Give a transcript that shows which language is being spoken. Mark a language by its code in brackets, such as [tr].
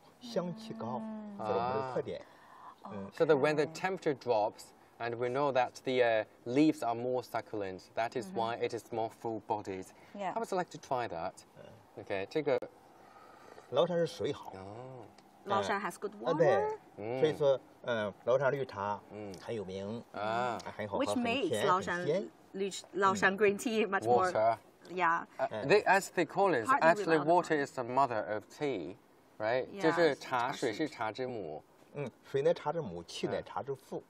[zh] 由于冬天比较寒冷，所以那么这个茶呢就是叶片厚，滋味浓，耐冲泡，香气高，是我们的特点。 [en] So the when the temperature drops, and we know that the leaves are more succulent. That is why it is more full-bodied. Yeah. I would like to try that. Okay, take a... Laoshan is water. Oh. Laoshan has good water. So, Laoshan green tea is very famous. Which makes Laoshan green tea much water. More... Water. Yeah. As they call it, actually water is the mother of tea, right? Yeah. [zh] 就是茶水是茶之母。水乃茶之母，气乃茶之父。